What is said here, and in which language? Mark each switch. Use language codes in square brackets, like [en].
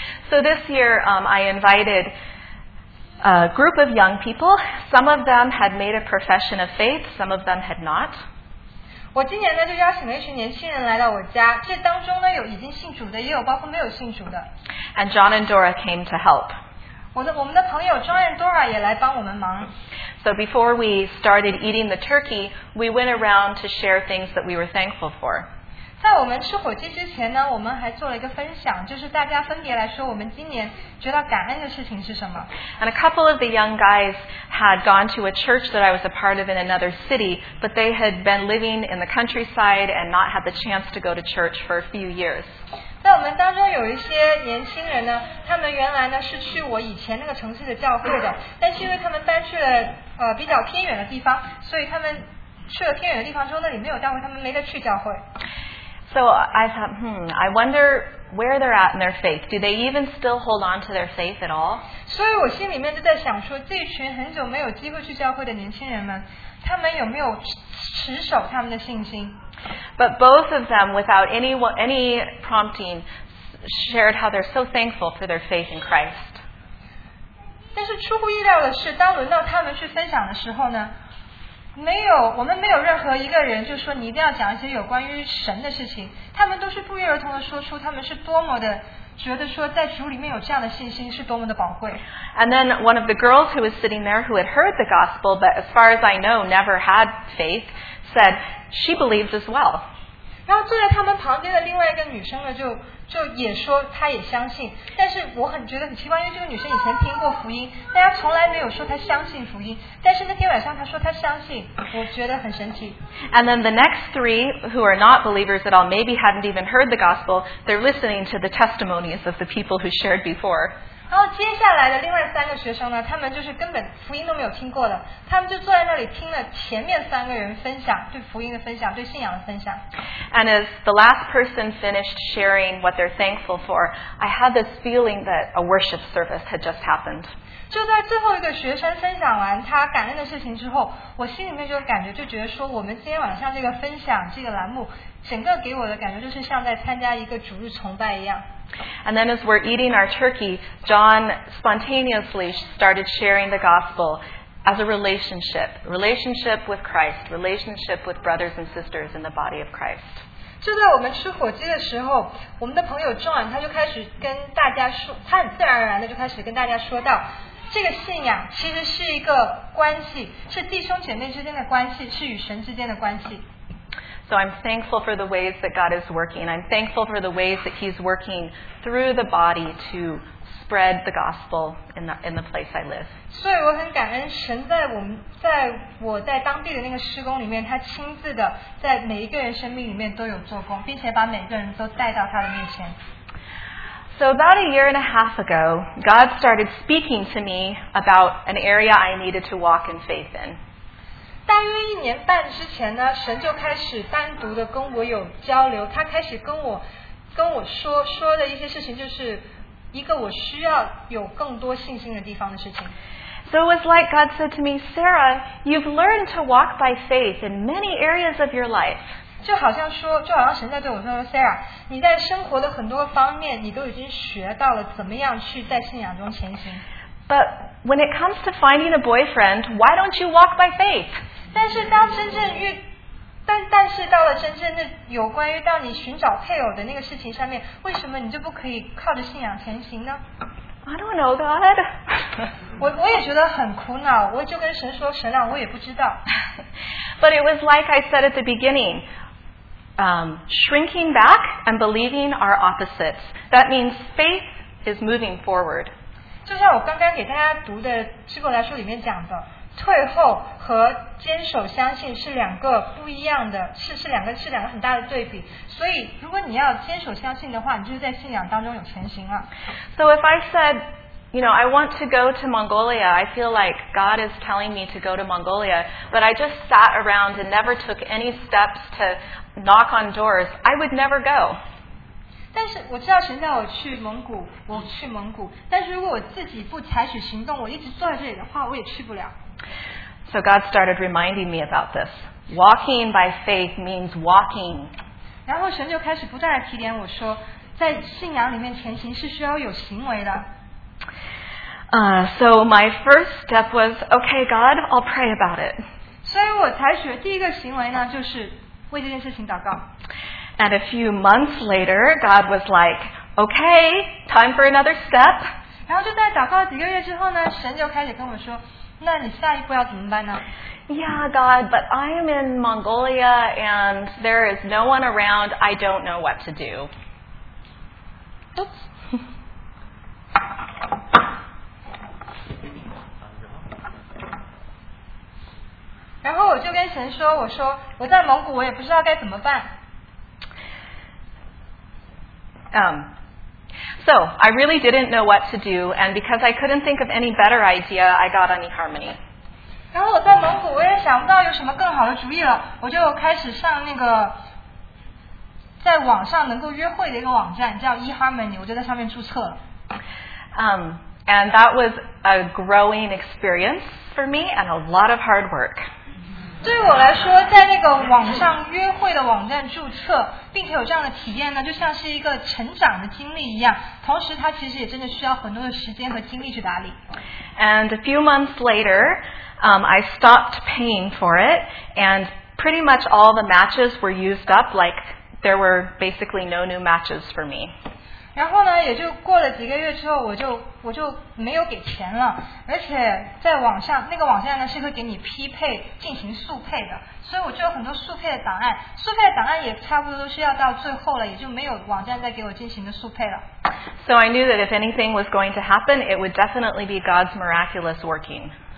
[en] So this year, I invited a group of young people. Some of them had made a profession of faith. Some of them had not. [zh] 我今年呢就邀请了一群年轻人来到我家，这当中呢有已经信主的，也有包括没有信主的。 [en] And John and Dora came to help. [zh] 我们的朋友 John and Dora 也来帮我们忙。 [en] So before we started eating the turkey, we went around to share things that we were thankful for. [zh] 在我们吃火鸡之前呢，我们还做了一个分享，就是大家分别来说我们今年觉得感恩的事情是什么。 [en] And a couple of the young guys had gone to a church that I was a part of in another city, but they had been living in the countryside and not had the chance to go to church for a few years. [zh] 在我们当中有一些年轻人呢，他们原来呢是去我以前那个城市的教会的，但是因为他们搬去了比较偏远的地方，所以他们去了偏远的地方之后，那里没有教会，他们没得去教会。 [en] So I thought, I wonder where they're at in their faith. Do they even still hold on to their faith at all? [zh] 所以我心里面就在想说，这群很久没有机会去教会的年轻人们，他们有没有持守他们的信心？ [en] But both of them, without any prompting, shared how they're so thankful for their faith in Christ. [zh] 但是出乎意料的是，当轮到他们去分享的时候呢，没有我们没有任何一个人就说你一定要讲一些有关于神的事情。他们都是不约而同的说出他们是多么的觉得说在主里面有这样的信心是多么的宝贵。 [en] And then one of the girls who was sitting there who had heard the gospel, but as far as I know, never had faith. Said she believes as well. [zh] 然后坐在他们旁边的另外一个女生呢，就也说她也相信。但是我很觉得很奇怪，因为这个女生以前听过福音，但她从来没有说她相信福音。但是那天晚上她说她相信，我觉得很神奇。 [en] And then the next three who are not believers at all, maybe hadn't even heard the gospel, they're listening to the testimonies of the people who shared before. [zh] 然后接下来的另外三个学生呢，他们就是根本福音都没有听过的，他们就坐在那里听了前面三个人分享对福音的分享，对信仰的分享。 [en] And as the last person finished sharing what they're thankful for, I had this feeling that a worship service had just happened. [zh] 就在最后一个学生分享完他感恩的事情之后，我心里面就感觉就觉得说，我们今天晚上这个分享这个栏目，整个给我的感觉就是像在参加一个主日崇拜一样。 [en] And then as we're eating our turkey, John spontaneously started sharing the gospel as a relationship. Relationship with Christ, relationship with brothers and sisters in the body of Christ. [zh] 就在我们吃火鸡的时候，我们的朋友 John 他就开始跟大家说，他很自然而然的就开始跟大家说到，这个信仰其实是一个关系，是弟兄姐妹之间的关系，是与神之间的关系。 [en] So I'm thankful for the ways that God is working. I'm thankful for the ways that He's working through the body to spread the gospel in the place I live. [zh] 所以我很感恩神在我当地的那个施工里面，他亲自的在每一个人生命里面都有做工，并且把每个人都带到他的面前。 [en] So about a year and a half ago, God started speaking to me about an area I needed to walk in faith in. [zh] 大约一年半之前呢，神就开始单独的跟我有交流。他开始跟我说的一些事情，就是一个我需要有更多信心的地方的事情。 [en] So it was like God said to me, Sarah, you've learned to walk by faith in many areas of your life. [zh] 就好像神在对我说 ，Sarah， 你在生活的很多方面，你都已经学到了怎么样去在信仰中前行。 [en] But when it comes to finding a boyfriend, why don't you walk by faith? [zh] 但是到了真正的有关于到你寻找配偶的那个事情上面，为什么你就不可以靠着信仰前行呢？ [en] I don't know, God. [zh] 我也觉得很苦恼，我就跟神说，神啊，我也不知道。 [en] But it was like I said at the beginning, shrinking back and believing are opposites. That means faith is moving forward. [zh] 就像我刚刚给大家读的诗歌来说里面讲的，退后和坚守相信是两个不一样的，是两个很大的对比。所以如果你要坚守相信的话，你就是在信仰当中有前行了。 [en] So if I said, you know, I want to go to Mongolia, I feel like God is telling me to go to Mongolia, but I just sat around and never took any steps to knock on doors, I would never go. [zh] 但是我知道神叫我去蒙古，我去蒙古。但是如果我自己不采取行动，我一直坐在这里的话，我也去不了。 [en] So God started reminding me about this. Walking by faith means walking. [zh] 然后神就开始不断地提点我说，在信仰里面前行是需要有行为的。 [en] So my first step was, okay, God, I'll pray about it. [zh] 所以我采取的第一个行为呢，就是为这件事情祷告。 [en] And a few months later, God was like, okay, time for another step. [zh] 然后就在祷告几个月之后呢，神就开始跟我说，那你下一步要怎么办呢？ [en] Yeah, God, but I am in Mongolia and there is no one around. I don't know what to do. Oops. [zh] 然后我就跟神说，我说我在蒙古，我也不知道该怎么办。 [en] So I really didn't know what to do, and because I couldn't think of any better idea, I got on eHarmony. [zh] 然后我在蒙古，我也想不到有什么更好的主意了，我就开始上那个在网上能够约会的一个网站，叫 eHarmony， 我就在上面注册了。 [en] And that was a growing experience for me and a lot of hard work. [zh] 对我来说，在那个网上约会的网站注册，并且有这样的体验呢，就像是一个成长的经历一样。同时，它其实也真的需要很多的时间和精力去打理。 [en] And a few months later, I stopped paying for it, and pretty much all the matches were used up. Like there were basically no new matches for me. [zh] 然后呢，也就过了几个月之后，我就没有给钱了，而且在网上那个网站呢是会给你匹配进行速配的，所以我就有很多速配的档案，速配的档案也差不多都是要到最后了，也就没有网站再给我进行的速配了。 [en] So I knew that if anything was going to happen, it would definitely be God's miraculous working.